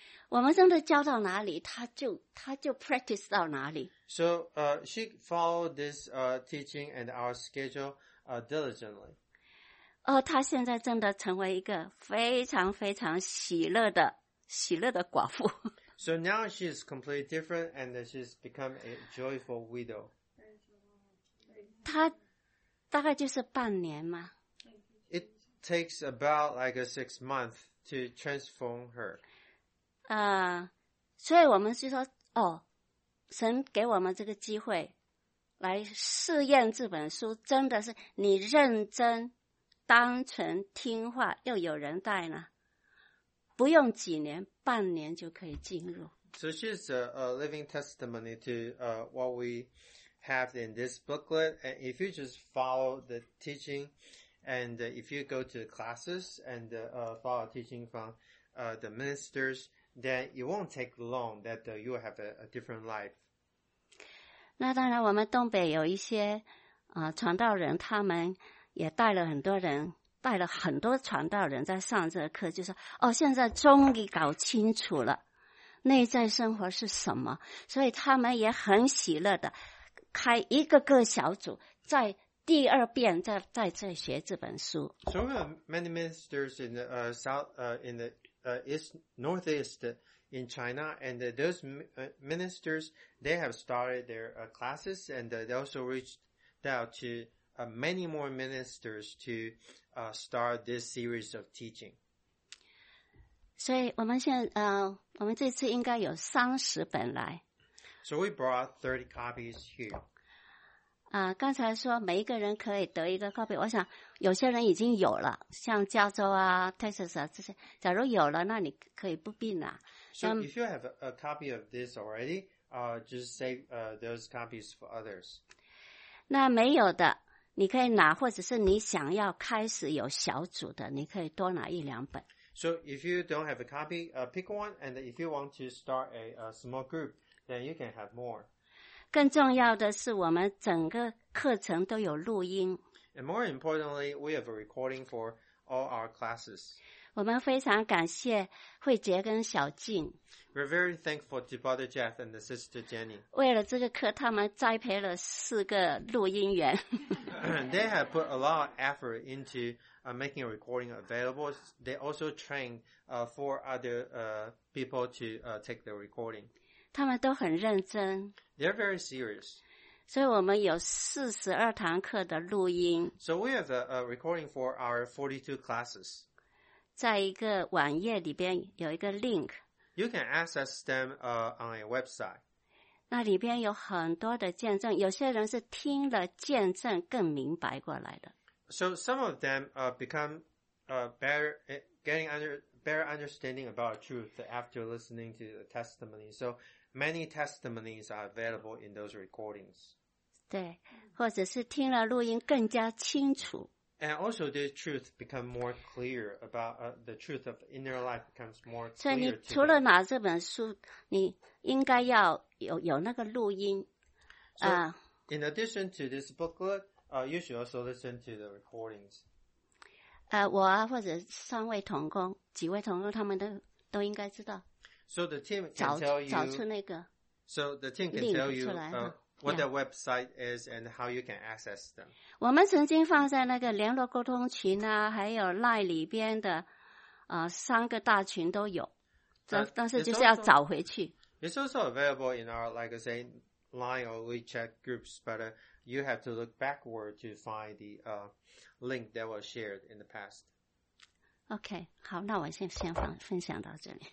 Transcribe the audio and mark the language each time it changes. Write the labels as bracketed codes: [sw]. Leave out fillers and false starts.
[zh] 我们真的教到哪里，他就 practice 到哪里。 [en] So she followed this teaching and our schedule diligently. [zh] 他现在真的成为一个非常非常喜乐的寡妇。 [en] So now she's completely different and she's become a joyful widow. [zh] 她大概就是半年嘛。 [en] It takes about like a 6 months to transform her. [zh] 所以我们是说哦，神给我们这个机会来试验这本书，真的是你认真、单纯、听话又有人带呢。不用几年，半年就可以进入。 [en] So she's a living testimony to what we have in this booklet. And if you just follow the teaching, and if you go to the classes and follow teaching from the ministers, then it won't take long that you will have a different life. [zh] 那当然，我们东北有一些传道人，他们也带了很多人。带了很多传道人在上这个课，就说哦，现在终于搞清楚了内在生活是什么，所以他们也很喜乐的开一个个小组，在第二遍再学这本书。 [en] So we have many ministers in the south, in the east, northeast in China, and those ministers they have started their classes, and they also reached out to many more ministers to. Start this series of teaching. [zh] 所以我们现在我们这次应该有30本来。 [en] So we brought 30 copies here. [zh] 刚才说每一个人可以得一个 copy, 我想有些人已经有了，像加州啊 ,Texas 啊这些，假如有了那你可以不必拿。 [en] So if you have a copy of this already, just save those copies for others. [zh] 那没有的你可以拿，或者是你想要开始有小组的，你可以多拿一两本。 [en] So if you don't have a copy, pick one, and if you want to start a, small group, then you can have more. [zh] 更重要的是，我们整个课程都有录音。 [en] And more importantly, we have a recording for all our classes. [zh] 我们非常感谢慧杰跟小静。 [en] We're very thankful to Brother Jeff and the Sister Jenny. [zh] 为了这个课，他们栽培了四个录音员。 [en] They have put a lot of effort into, making a recording available. They also trained, four other, people to, take the recording. [zh] 他们都很认真。 [en] They're very serious. [zh] 所以我们有42堂课的录音。 [en] So we have a recording for our 42 classes. [zh] 在一个网页里边有一个 link. [en] You can access them, on a website. [zh] 那里边有很多的见证，有些人是听了见证更明白过来的。 [en] So some of them, become, better, getting under, better understanding about truth after listening to the testimony. So,Many testimonies are available in those recordings. [zh] 对，或者是听了录音更加清楚。 [en] And also the truth becomes more clear about, the truth of inner life becomes more clear. [zh] 所以你除了拿这本书，你应该要有那个录音。 [en] So, in addition to this booklet, you should also listen to the recordings. [zh] 我啊，或者三位同工，几位同工他们都应该知道。 [en] So the team can tell you, [zh] 找出那个 [en] so the team can tell you, what the website is and how you can access them. [zh] 我们曾经放在那个联络沟通群啊，还有 LINE 里边的，三个大群都有，但是就是要找回去。 [en] It's also available in our, like I say, LINE or WeChat groups, but, you have to look backward to find the, link that was shared in the past. [zh] OK, 好，那我先分享到这里。